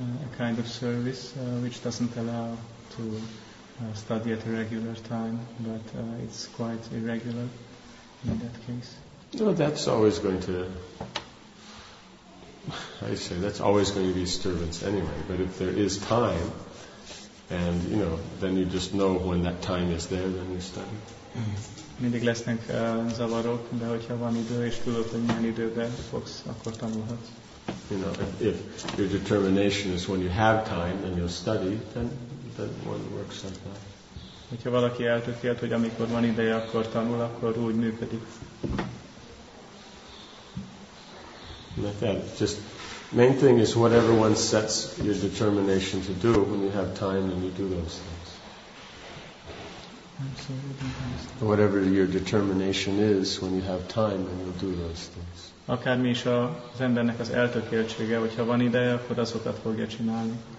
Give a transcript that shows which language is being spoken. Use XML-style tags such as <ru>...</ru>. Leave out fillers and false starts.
<en>A kind of service which doesn't allow to study at a regular time, but it's quite irregular in that case. No, that's always going to... I say that's always going to be disturbance anyway, but if there is time, and you know, then you just know when that time is there, then you study.</en> <hu>Mindig lesznek zavarok, de hogyha van idő és tudod, hogy milyen időben fogsz, akkor tanulhatsz.</hu> <en>You know, if your determination is when you have time and you'll study, then one works like that.</en> <hu>Hogyha valaki eltökélt, hogy amikor van ideje, akkor tanul, akkor úgy működik.</hu> <en>Like that. Just main thing is whatever one sets your determination to do when you have time and you do those things. Absolutely. Whatever your determination is when you have time and you'll do those things.</en> <hu>Akármi is az embernek az eltökéltsége, hogyha van ideje, akkor azokat fogja csinálni.</hu>